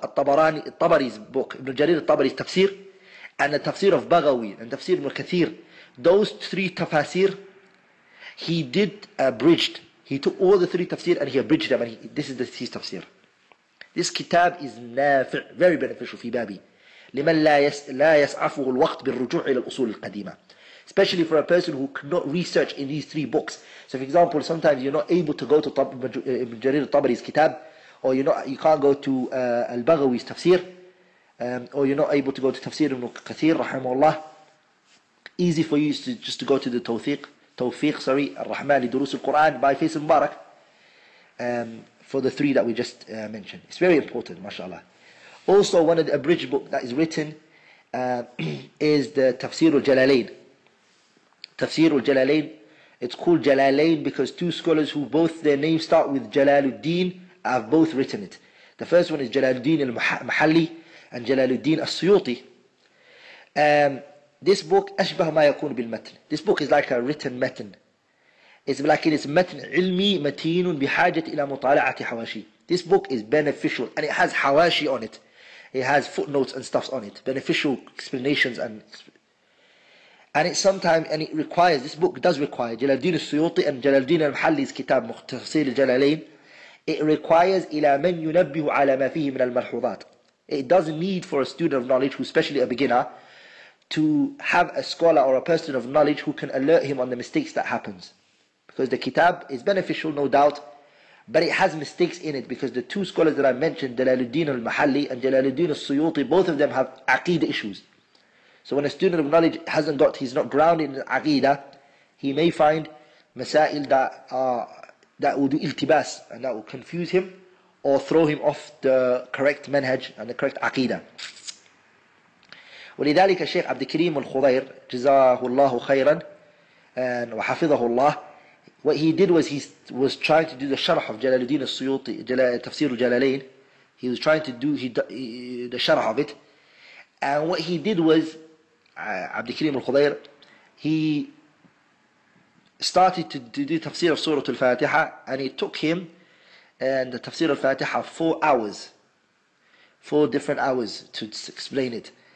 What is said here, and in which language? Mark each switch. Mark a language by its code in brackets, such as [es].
[en] الطبراني, الطبري's book, ابن جرير الطبري's تفسير, and the تفسير of بغوي, and تفسير ابن كثير. Those three tafsir, he did abridged. He took all the three tafsir and he abridged them. And this is his tafsir. This kitab is nafi', very beneficial fi babi. [ar] لمن لا يسعفه الوقت بالرجوع إلى الأصول القديمة. [en] Especially for a person who cannot research in these three books. So for example, sometimes you're not able to go to Ibn Jarir al-Tabari's kitab, or you can't go to al-Baghawi's tafsir, or you're not able to go to tafsir ibn Kathir, رحمه الله. Easy for you to just to go to the Tawfiq, Ar-Rahman لدروس القرآن by Faisal Mubarak for the three that we just mentioned. It's very important, mashallah. Also, one of the abridged book that is written is the Tafsir al-Jalalain. Tafsir al-Jalalain, it's called Jalalain because two scholars who both their names start with Jalaluddin have both written it. The first one is Jalaluddin al-Mahalli and Jalaluddin al-Suyuti. [ar] This book, أشبه ما يكون بالمتن. [en] This book is like a written متن. [ar] It's like it is متن علمي متين بحاجة إلى مطالعة حواشي. [en] This book is beneficial and it has حواشي on it. It has footnotes and stuff on it. Beneficial explanations and it sometimes, and it requires, this book does require, جلال الدين السيوطي and جلال الدين المحلي's كتاب مختصر الجلالين. [ar] It requires إلى من ينبه على ما فيه من الملحوظات. [en] It does need for a student of knowledge, who's especially a beginner, to have a scholar or a person of knowledge who can alert him on the mistakes that happens. Because the kitab is beneficial, no doubt, but it has mistakes in it because the two scholars that I mentioned, Jalaluddin al-Mahalli and Jalaluddin al-Suyuti, both of them have aqeedah issues. So when a student of knowledge hasn't got, he's not grounded in aqeedah, he may find masail that will do iltibas and that will confuse him or throw him off the correct manhaj and the correct aqeedah. [ar] ولذلك الشيخ عبد الكريم الخضير جزاه الله خيرا وحفظه الله. [en] What he did was he was trying to do the sharh of Jalaluddin al-Suyuti, Tafsir al-Jalalain. He was trying to do the sharh of it. And what he did was, عبد الكريم الخضير, he started to do Tafsir of Surah al-Fatiha, and it took him and the Tafsir al-Fatiha 4 hours, 4 different hours to explain it.